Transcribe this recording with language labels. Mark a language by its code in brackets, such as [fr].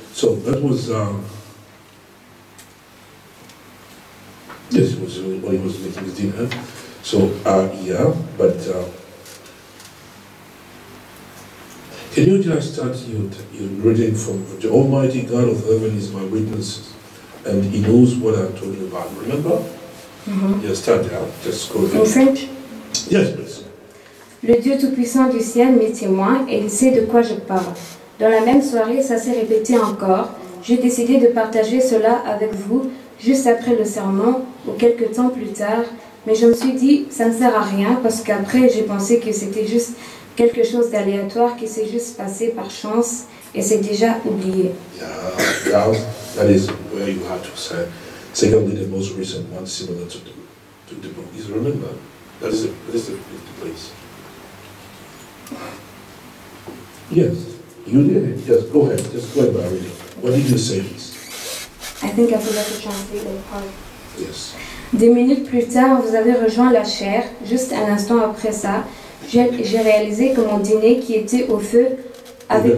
[en] So that was this was really what he was making his dinner. So can you just start your reading from the Almighty God of Heaven is my witness, and He knows what I'm talking about. Remember? Mm-hmm. Yes. Start there. Just go ahead. In French? Yes, please. [fr] Le Dieu Tout-Puissant du ciel m'est témoin et il sait de quoi je parle. Dans la même soirée, ça s'est répété encore. J'ai décidé de partager cela avec vous juste après le sermon ou quelques temps plus tard. Mais je me suis dit, ça ne sert à rien parce qu'après, j'ai pensé que c'était juste quelque chose d'aléatoire qui s'est juste passé par chance et s'est déjà oublié. [en] Yeah, that is where you have to say. Secondly, the most recent one similar to the book. Is remember? That is the place. Yes, you did it. Yes, go ahead. Just go ahead, Barry. What did you say? I think I forgot to translate the part. Yes. [fr] Des minutes plus tard, vous avez rejoint la chaire. Juste un instant après ça, J'ai réalisé que mon dîner qui était au feu avait